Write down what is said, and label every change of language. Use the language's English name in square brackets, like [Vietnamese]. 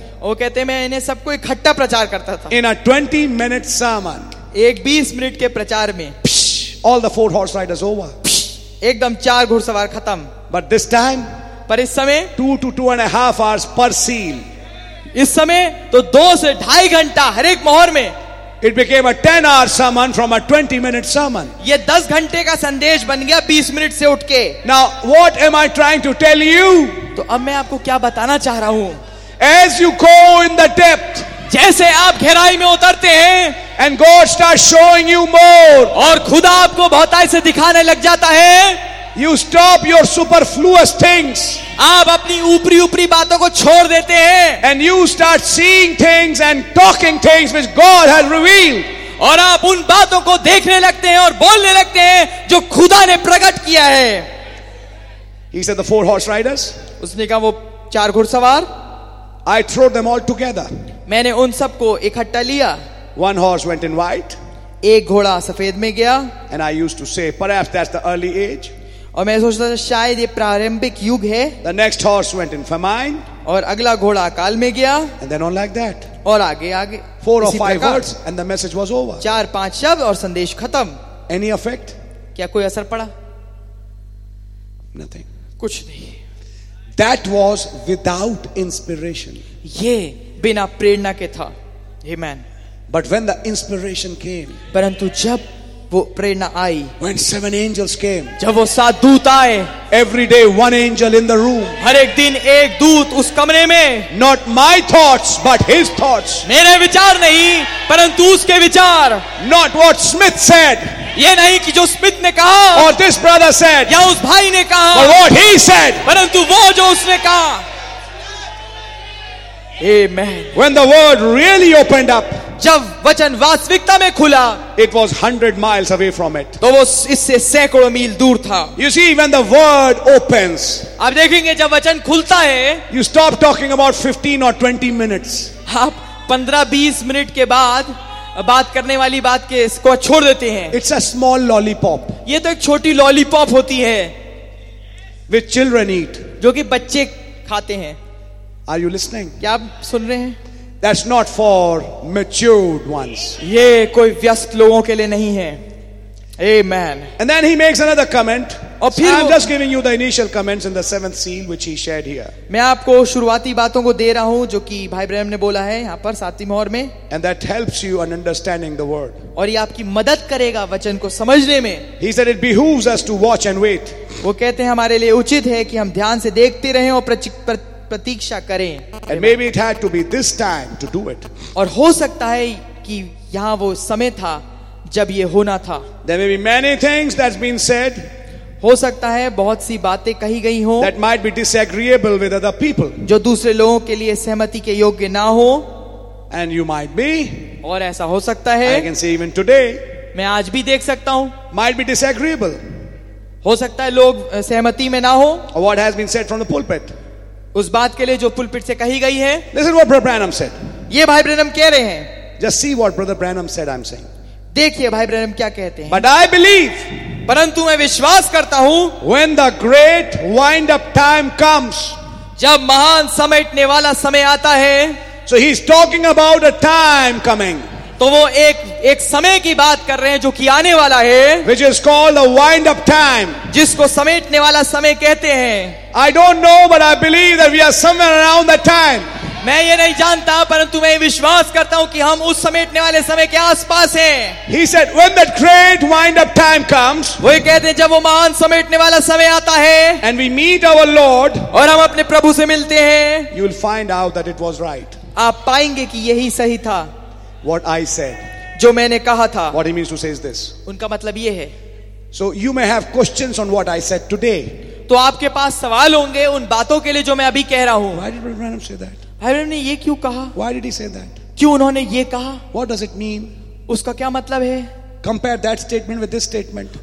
[Hindi] वो कहते मैं इन्हें सबको इकट्ठा प्रचार करता था. [English] In a 20-minute sermon. [Hindi] एक 20 मिनट के प्रचार में. [English] All the 4 horse riders over. [Hindi] एकदम चार घुड़सवार खत्म. [English] But this time. [Hindi] पर इस समय. [English] 2 to 2.5 hours per seal. [Hindi] इस समय तो [English] 2 to 2.5 hours [Hindi] हर एक मोहर में. [English] It became a 10-hour sermon from a 20-minute sermon. [Hindi] ये 10 घंटे का संदेश बन गया 20 मिनट से उठके. [English] Now what am I trying to tell you? [Hindi] तो अब मैं आपको क्या बताना चाह रहा हूँ? [English] As you go in the depth, [Hindi] जैसे आप गहराई में उतरते हैं, [English] and God starts showing you more, [Hindi] और खुदा आपको बहुताई से दिखाने लग जाता है, [English] you stop your superfluous things, [Hindi] आप अपनी ऊपरी ऊपरी बातों को छोड़ देते हैं, [English] and you start seeing things and talking things which God has revealed, [Hindi] और आप उन बातों को देखने लगते हैं और बोलने लगते हैं जो खुदा ने प्रकट किया है. [English] He said the 4 horse riders. [Hindi] उसने कहा वो चार घुड़सवार. [English] I threw them all together. [Hindi] मैंने उन सब को इकट्ठा लिया. [English] One horse went in white. [Hindi] एक घोड़ा सफेद में गया. [English] And I used to say, perhaps that's the early age. [Hindi] और मैं सोचता था शायद ये प्रारंभिक युग है. [English] The next horse went in famine. [Hindi] और अगला घोड़ा काल में गया. [English] And then on like that. [Hindi] और आगे आगे. [English] 4 or 5 words and the message was over. [Hindi] चार पांच शब्द और संदेश खत्म. [English] Any effect? [Hindi] क्या कोई असर पड़ा? [English] Nothing. [Hindi] कुछ नहीं. [English] That was without inspiration. [Hindi] ये बिना प्रेरणा के था. Amen. [English] But when the inspiration came, [Hindi] परंतु जब वो प्रेरणा आई, [English] when 7 angels came, [Hindi] जब वो 7 दूत आए, [English] every day 1 angel in the room, [Hindi] हर एक दिन एक दूत उस कमरे में, [English] not my thoughts but his thoughts, [Hindi] मेरे विचार नहीं परंतु उसके विचार, [English] not what Smith said, [Hindi] ये नहीं कि जो स्मिथ ने कहा, [English] और this brother said, [Hindi] या उस भाई ने कहा, [English] but what he said, [Hindi] परंतु वो जो उसने कहा. [English] Amen. When the word really opened up, [Hindi] जब वचन वास्तविकता में खुला, [English] it was 100 miles away from it, [Hindi] तो वो इससे सैकड़ों मील दूर था. [English] You see, when the word opens, [Hindi] आप देखेंगे जब वचन खुलता है, [English] you stop talking about 15 or 20 minutes, [Hindi] आप 15-20 मिनट के बाद बात करने वाली बात के इसको छोड़ देते हैं. [English] It's a small lollipop. [Hindi] ये तो एक छोटी लॉलीपॉप होती है. [English] Which children eat. [Hindi] जो कि बच्चे खाते हैं. [English] Are you listening? [Hindi] क्या आप सुन रहे हैं? [English] That's not for matured ones. [Hindi] ये कोई व्यस्त लोगों के लिए नहीं है. [English] Amen. And then he makes another comment. I'm just giving you the initial comments in the 7th seal which he shared here. [Hindi] मैं आपको शुरुआती बातों को दे रहा हूँ जो कि भाई ब्रैनम ने बोला है यहाँ पर 7वीं मोहर में. [English] And that helps you in understanding the word. [Hindi] और ये आपकी मदद करेगा वचन को समझने में. [English] He said it behooves us to watch and wait. [Hindi] वो कहते हैं हमारे लिए उचित है कि हम ध्यान से देखते रहें और प्रतीक्षा करें. [English] And maybe it had to be this time to do it. [Hindi] और हो सकता है कि यहाँ वो समय था जब ये होना था. [English] There may be many things that's been said. [Hindi] हो सकता है बहुत सी बातें कही गई हो. [English] That might be disagreeable with other people. [Hindi] जो दूसरे लोगों के लिए सहमति के योग्य ना हो. [English] And you might be. [Hindi] और ऐसा हो सकता है. [English] I can say even today. [Hindi] मैं आज भी देख सकता हूँ. [English] Might be disagreeable. [Hindi] हो सकता है लोग सहमति में ना हो. [English] Or what has been said from the pulpit. [Hindi] उस बात के लिए जो पुलपिट से कही गई है. [English] Listen what Brother Branham said. [Hindi] ये भाई ब्रैनम कह रहे हैं. [English] Just see what Brother Branham said. I'm saying. [Hindi] देखिए भाई ब्रैनम क्या कहते हैं. [English] But I believe, [Hindi] परंतु मैं विश्वास करता हूं, [English] when the great wind up time comes, [Hindi] जब महान समेटने वाला समय आता है, [English] so he's talking about a time coming, [Hindi] तो वो एक समय की बात कर रहे हैं जो कि आने वाला है, [English] which is called a wind up time, [Hindi] जिसको समेटने वाला समय कहते हैं. [English] I don't know, but I believe that we are somewhere around that time. [Hindi] मैं ये नहीं जानता परंतु मैं विश्वास करता हूँ कि हम उस समेटने वाले समय के आसपास हैं। [English] He said, when that great wind up time comes, [Hindi] वो ये कहते हैं जब वो महान समेटने वाला समय आता है, [English] and we meet our Lord, [Hindi] और हम अपने प्रभु से मिलते हैं, [English] you will find out that it was right. [Hindi] आप पाएंगे कि यही सही था. [English] What I said, [Hindi] जो मैंने कहा था. [English] What he means to say is this. [Hindi] उनका मतलब ये है. [English] So you may have questions on what I said today. [Hindi] तो आपके पास सवाल होंगे उन बातों के लिए जो मैं अभी कह रहा हूँ. [English] Why did Brother Branham say that? [Hindi] ने ये क्यों कहा? [English] Why did he say that? [Hindi] क्यों उन्होंने ये कहा? [English] What does it mean? [Hindi] उसका क्या मतलब है? [English] Compare that statement with this statement.